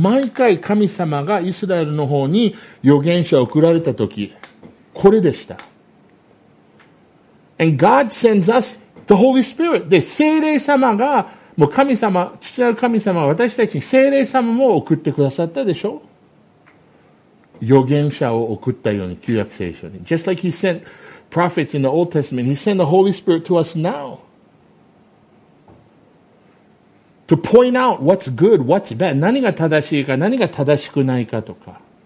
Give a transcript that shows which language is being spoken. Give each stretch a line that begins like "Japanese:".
Japanese: 毎回神様がイスラエルの方に預言者を送られた時、これでした。
English: And God sends us the Holy Spirit.
Japanese: で、聖霊様が、もう神様、父なる神様は私たちに聖霊様も送ってくださったでしょ。預言者を送ったように、旧約聖書に。
English: Just like he sent prophets in the Old Testament, he sent the Holy Spirit to us now. To point out what's good, what's bad.
Japanese: 何が正しいか、何が正しくないかとか。